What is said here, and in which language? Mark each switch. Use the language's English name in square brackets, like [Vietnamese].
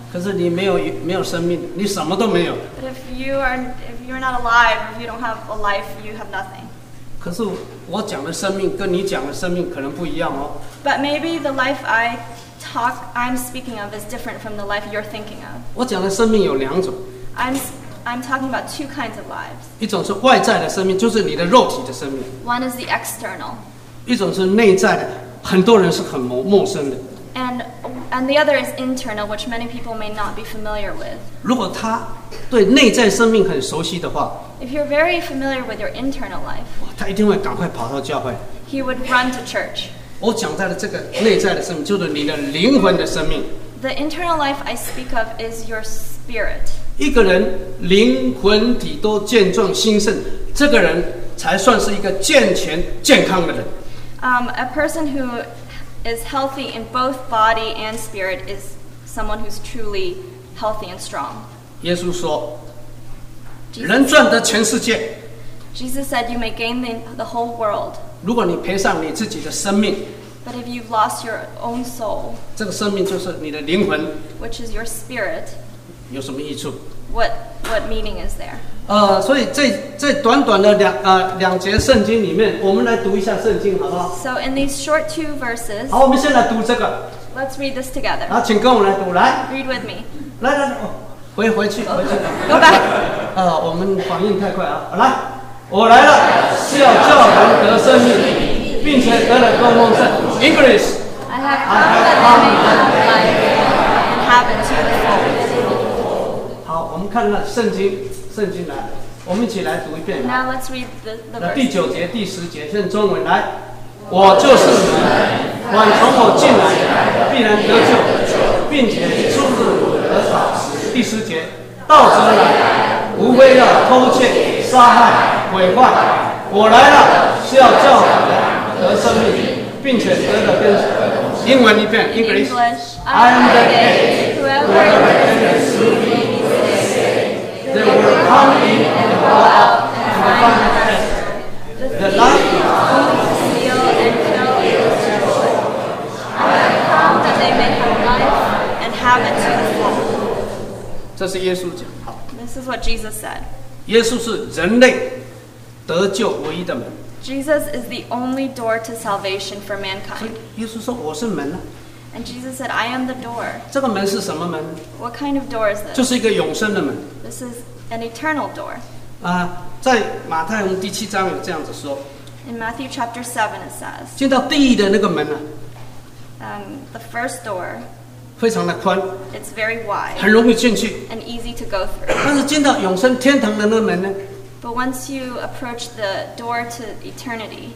[Chinese] 可是你没有生命，你什么都没有。 [English] But if you're not alive, if you don't have a life, you have nothing. [Chinese] 可是我讲的生命跟你讲的生命可能不一样哦。 [English] But maybe the life I'm speaking of is different from the life you're thinking of. [Chinese] 我讲的生命有两种。 [English] I'm talking about two kinds of lives. [Chinese] 一种是外在的生命，就是你的肉体的生命。 [English] One is the external. [Chinese] 一种是内在的。很多人是很陌生的。 [English] And the other is internal, which many people may not be familiar with. [Chinese] 如果他对内在生命很熟悉的话， [English] If you're very familiar with your internal life, [Chinese] 他一定会赶快跑到教会。 [English] He would run to church. [Chinese] 我讲到的这个内在的生命，就是你的灵魂的生命。 [English] The internal life I speak of is your spirit. [Chinese] 一个人灵魂体都健壮兴盛，这个人才算是一个健全健康的人。 [English] A person who is healthy in both body and spirit is someone who's truly healthy and strong. [Chinese] 耶稣说，人赚得全世界。 [English] Jesus said, "You may gain the whole world." [Chinese] 如果你赔上你自己的生命， [English] but if you've lost your own soul, [Chinese] 这个生命就是你的灵魂， [English] which is your spirit, [Chinese] 有什么益处？ [English] What meaning is there? [Chinese] 所以在短短的两节圣经里面，我们来读一下圣经，好不好？ [English] So in these short two verses, [Chinese] 好，我们先来读这个。 [English] Let's read this together. [Chinese] 好，请跟我来读，来。 [English] Read with me. [Chinese] 来，回去。 [English] Go back. [Chinese] 我们反应太快啊！来，我来了，是要叫人得生命，并且得了更丰盛。 [English] English. I have come to life and have it to the full. [Chinese] 好，我们看了圣经来，我们一起来读一遍。 [English] Now let's read the verse. [Chinese] 第九节、第十节，现在中文来。我就是门，凡从我进来的，必然得救，并且出入我得赏赐。第十节，盗贼来，无非要偷窃、杀害、毁坏。我来了，是要叫人得生命，并且得了更丰盛。英文一遍 [English] ，English. I am the gate. Whoever enters through me. They will come in and go out and find rest. The light of God is sealed and filled with your soul. I have come that they may have life and have it to the full. [Chinese] 这是耶稣讲。好。 [English] This is what Jesus said. [Chinese] 耶稣是人类得救唯一的门。 [English] Jesus is the only door to salvation for mankind. [Chinese] 耶稣说我是门呢。 [English] And Jesus said, I am the door. [Chinese] 这个门是什么门？ [English] What kind of door is this? [Chinese] 就是一个永生的门。 [English] This is an eternal door. [Chinese] 在马太福音第七章有这样子说。 [English] In Matthew chapter 7 it says, [Chinese] 进到地狱的那个门呢？ [English] The first door, [Chinese] 非常的宽。 [English] It's very wide. [Chinese] 很容易进去。 [English] And easy to go through. [Chinese] 但是进到永生天堂的那个门呢？ [English] But once you approach the door to eternity,